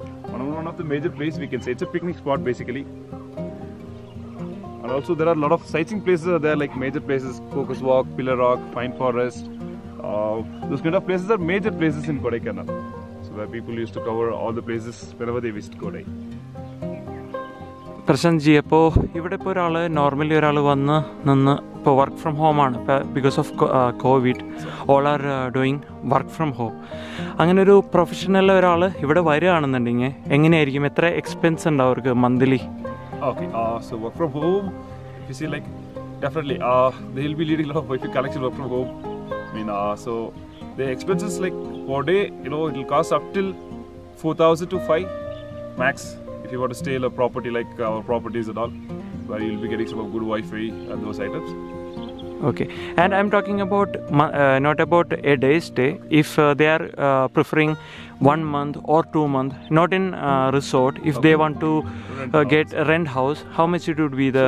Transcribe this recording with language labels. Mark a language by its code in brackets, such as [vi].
[en] One of the major places we can say it's a picnic spot basically. And also there are a lot of sightseeing places are there, like major places, Focus Walk, Pillar Rock, Pine Forest. Those kind of places are major places in Kodaikanal. So where people used to cover all the places whenever they visit Kodai. [ml] Prashant G, അപ്പോൾ ഇവിടെ ഇപ്പോൾ ഒരാൾ normally ഒരാൾ വന്ന് നിന്ന് ഇപ്പോൾ work from home ആണ്. [en] ഇപ്പോൾ because of covid all are doing work from home. [ml] അങ്ങനെ ഒരു പ്രൊഫഷണൽ ഒരാൾ ഇവിടെ വരികയാണെന്നുണ്ടെങ്കിൽ എങ്ങനെയായിരിക്കും, എത്ര എക്സ്പെൻസ് ഉണ്ടാവും അവർക്ക് monthly? [en] Okay, so work from home you see like definitely they will be leading a lot of collection work from home. I mean so the expenses like per day, you know, it will cost up till 4,000 to 5,000 max. If you want to stay in a property like our properties and all, where you'll be getting some good Wi-Fi and those items. Okay, and I'm talking about not about a day stay. If they are preferring 1 month or 2 month, not in resort, if okay. They want to get a rent house, how much it would be the...